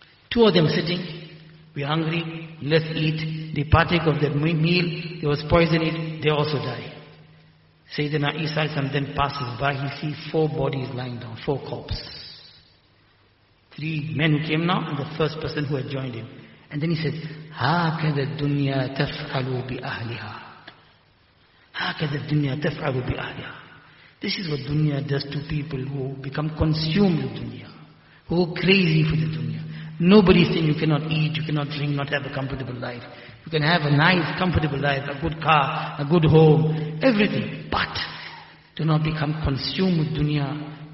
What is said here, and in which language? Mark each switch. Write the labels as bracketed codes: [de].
[en] Two of them sitting, we're hungry, let's eat. They partake of that meal, there was poison in it, they also die. Sayyidina Isa and then passes by, he sees four bodies lying down, four corpses. Three men came now, and the first person who had joined him. And then he says, [ar] هَاكَذَ الدُّنْيَا تَفْعَلُ بِأَهْلِهَا هَاكَذَ الدُّنْيَا تَفْعَلُ بِأَهْلِهَا. [en] This is what dunya does to people who become consumed with dunya, who are crazy for the dunya. Nobody is saying you cannot eat, you cannot drink, not have a comfortable life. You can have a nice, comfortable life, a good car, a good home, everything. But do not become consumed with dunya.